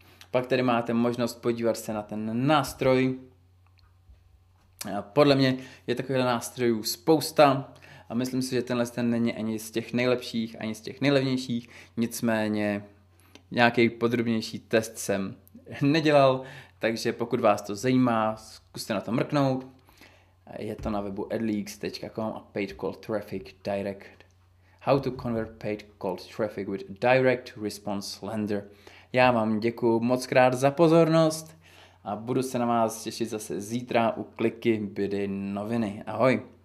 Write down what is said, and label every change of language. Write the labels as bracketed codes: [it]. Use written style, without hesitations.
[cs] Pak tady máte možnost podívat se na ten nástroj. Podle mě je takovýhle nástrojů spousta a myslím si, že tenhle ten není ani z těch nejlepších, ani z těch nejlevnějších. Nicméně nějaký podrobnější test jsem nedělal, takže pokud vás to zajímá, zkuste na to mrknout. Je to na webu adleaks.com a paid cold traffic direct. [en] How to convert paid cold traffic with direct response lender. [cs] Já vám děkuju moc krát za pozornost a budu se na vás těšit zase zítra u Kliky Bydy Noviny. Ahoj!